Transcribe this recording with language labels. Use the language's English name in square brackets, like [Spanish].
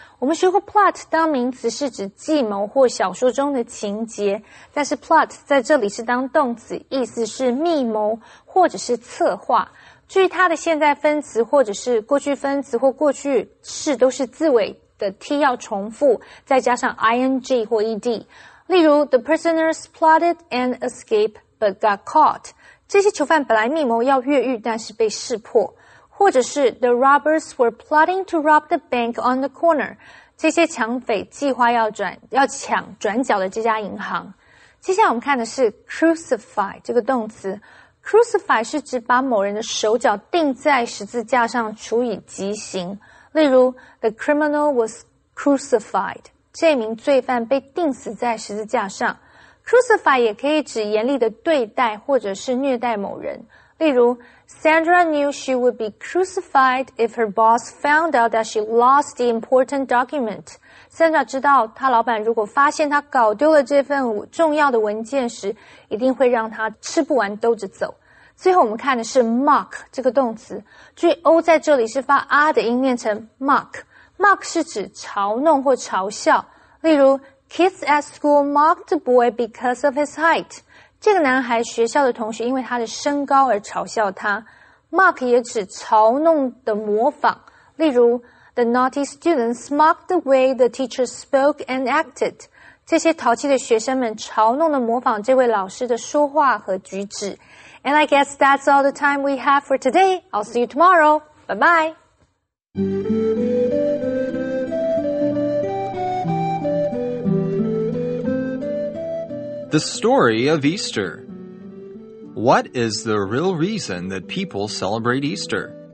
[Chinese] 我们学过 plot 当名词是指计谋或小说中的情节，但是 plot 在这里是当动词，意思是密谋或者是策划。至于它的现在分词或者是过去分词或过去式都是字尾的 T 要重复，再加上 ing 或 ed。例如 [English] ,the prisoners plotted an escape but got caught. [Chinese] 这些囚犯本来密谋要越狱，但是被识破，或者是 [English] The robbers were plotting to rob the bank on the corner. [Chinese] 这些抢匪计划要抢转角的这家银行。接下来我们看的是 crucify 这个动词。Crucify 是指把某人的手脚钉在十字架上处以极刑。例如 [English] The criminal was crucified. [Chinese] 这名罪犯被钉死在十字架上。 Crucify 也可以指严厉的对待或者是虐待某人。例如 [English] ,Sandra knew she would be crucified if her boss found out that she lost the important document. [Chinese] Sandra 知道她老板如果发现她搞丢了这份重要的文件时，一定会让她吃不完兜着走。最后我们看的是 mock 这个动词。注意 O 在这里是发 R 的音念成 mock。 mock 是指嘲弄或嘲笑。例如 [English] Kids at school mocked the boy because of his height. [Chinese] 这个男孩学校的同学因为他的身高而嘲笑他。 Mock 也指嘲弄的模仿。例如 [English] ,the naughty students mocked the way the teacher spoke and acted. [Chinese] 这些淘气的学生们嘲弄的模仿这位老师的说话和举止。 [English] And I guess that's all the time we have for today. I'll see you tomorrow. Bye bye. The Story of Easter. What is the real reason that people celebrate Easter?